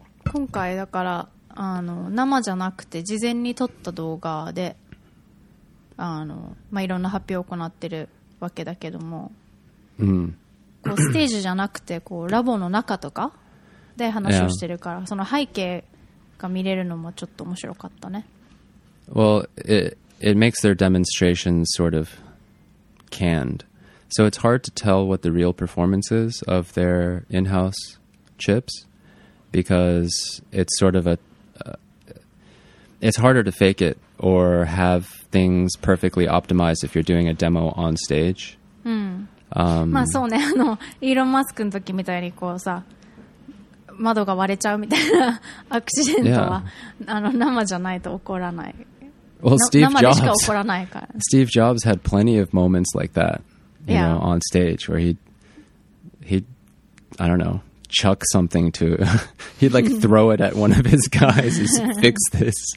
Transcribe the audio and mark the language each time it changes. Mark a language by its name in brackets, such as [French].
[Japanese] 今回だから生じゃなくて事前に撮った動画でまあ、いろんな発表を行ってるわけだけども、こうステージじゃなくてこうラボの中とかで話をしてるから、その背景が見れるのもちょっと面白かったね。 [English] Well, it makes their demonstrations sort of canned. So it's hard to tell what the real performance is of their in-house chips because it's sort of it's harder to fake it or have things perfectly optimized if you're doing a demo on stage. [Japanese] まあそうね、イーロン・マスクの時みたいにこうさ、窓が割れちゃうみたいなアクシデントは、生じゃないと起こらない。 [English] Well, Steve Jobs, [Japanese] 生でしか起こらないから。 [English] Steve Jobs had plenty of moments like that. You know, on stage where he'd, I don't know, chuck something to, he'd like throw it at one of his guys and fix this.